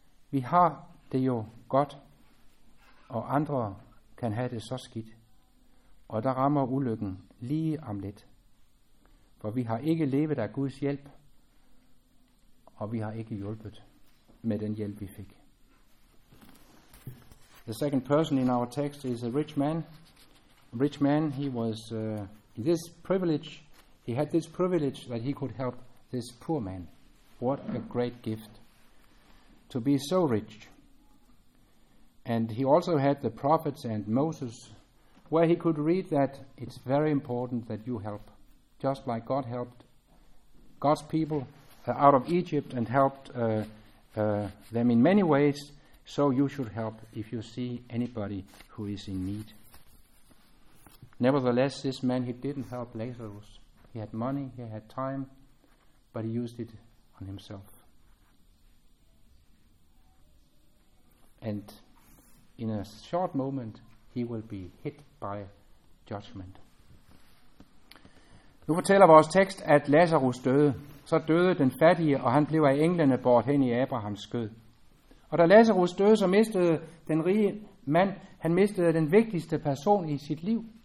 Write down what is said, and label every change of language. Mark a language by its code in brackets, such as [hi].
[da] Vi har det jo godt, og andre kan have det så skidt. Og der rammer ulykken lige om lidt. For vi har ikke levet af Guds hjælp, og vi har ikke hjulpet med den hjælp, vi fik. [en] The second person in our text is a rich man. Rich man, he was in this privilege. He had this privilege that he could help this poor man. What a great gift to be so rich. And he also had the prophets and Moses, where he could read that it's very important that you help, just like God helped God's people out of Egypt and helped them in many ways. So you should help if you see anybody who is in need. Nevertheless, this man, he didn't help Lazarus. He had money, he had time, but he used it on himself. And in a short moment, he will be hit by judgment. [da] Nu fortæller vores tekst, at Lazarus døde. Så døde den fattige, og han blev af englene båret hen i Abrahams skød. Og da Lazarus døde, så mistede den rige mand, han mistede den vigtigste person i sit liv.